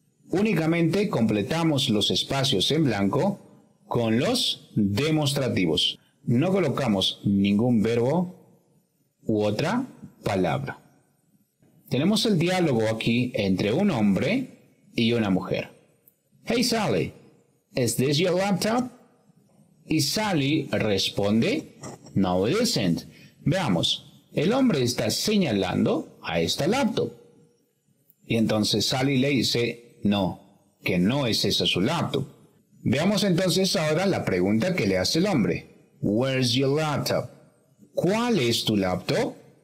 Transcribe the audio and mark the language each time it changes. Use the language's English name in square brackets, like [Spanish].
[Spanish] Únicamente completamos los espacios en blanco con los demostrativos. No colocamos ningún verbo u otra palabra. Tenemos el diálogo aquí entre un hombre y una mujer. [English] Hey Sally, is this your laptop? Y Sally responde, no it isn't. [Spanish] Veamos, el hombre está señalando a esta laptop. Y entonces Sally le dice, no, que no es esa su laptop. Veamos entonces ahora la pregunta que le hace el hombre. Where's your laptop? ¿Cuál es tu laptop?